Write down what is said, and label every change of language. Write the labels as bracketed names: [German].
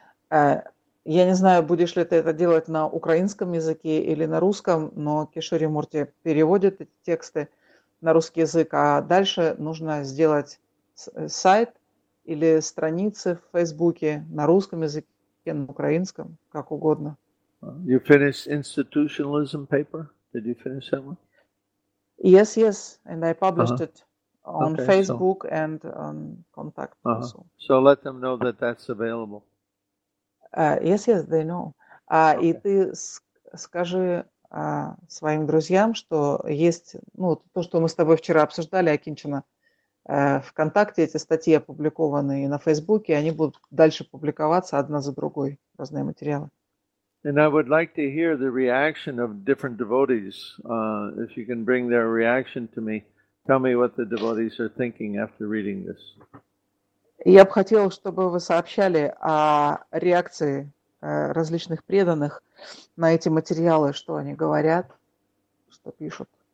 [Russian] Я не знаю, будешь ли ты это делать на украинском языке или на русском, но Кишори Мурти переводит эти тексты на русский язык, а дальше нужно сделать сайт или страницы в Фейсбуке на русском языке, на украинском, как угодно. [English] You finished institutionalism paper? Did you finish that one? Yes, yes, and I published it on Facebook and on contact also. So let them know that that's available. Yes, yes, they know. [Russian] И ты скажи своим друзьям, что есть, ну, то, что мы с тобой вчера обсуждали, Акинчина, ВКонтакте эти статьи опубликованы и на Фейсбуке, они будут дальше публиковаться одна за другой, разные материалы. [English] And I would like to hear the reaction of different devotees. If you can bring their reaction to me, tell me what the devotees are thinking after reading this. [Russian] Я бы хотел, чтобы вы сообщали о реакции различных преданных на эти материалы, что они говорят, что пишут.